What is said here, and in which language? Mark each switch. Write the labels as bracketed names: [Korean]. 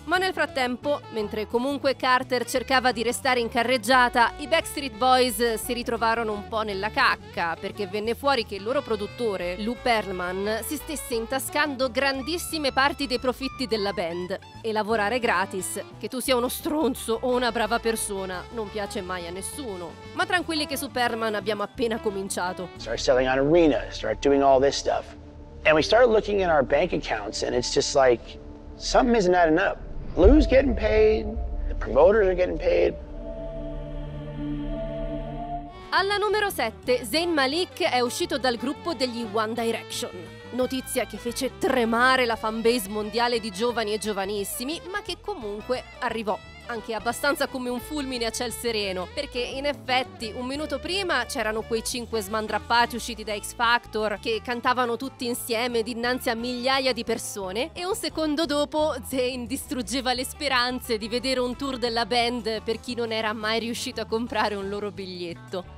[Italian] Ma nel frattempo, mentre comunque Carter cercava di restare in carreggiata, i Backstreet Boys si ritrovarono un po' nella cacca, perché venne fuori che il loro produttore, Lou Pearlman, si stesse intascando grandissime parti dei profitti della band. E lavorare gratis, che tu sia uno stronzo o una brava persona, non piace mai a nessuno. Ma tranquilli che su Pearlman abbiamo appena cominciato. [English] Start selling on arena, start doing all this stuff. And we started looking in our bank accounts and it's just like, something isn't adding up. Lou's getting paid, the promoters are getting paid. [Italian] Alla numero 7, Zayn Malik è uscito dal gruppo degli One Direction. Notizia che fece tremare la fanbase mondiale di giovani e giovanissimi, ma che comunque arrivò anche abbastanza come un fulmine a ciel sereno, perché in effetti un minuto prima c'erano quei 5 smandrappati usciti da X Factor che cantavano tutti insieme dinanzi a migliaia di persone, e un secondo dopo Zayn distruggeva le speranze di vedere un tour della band per chi non era mai riuscito a comprare un loro biglietto.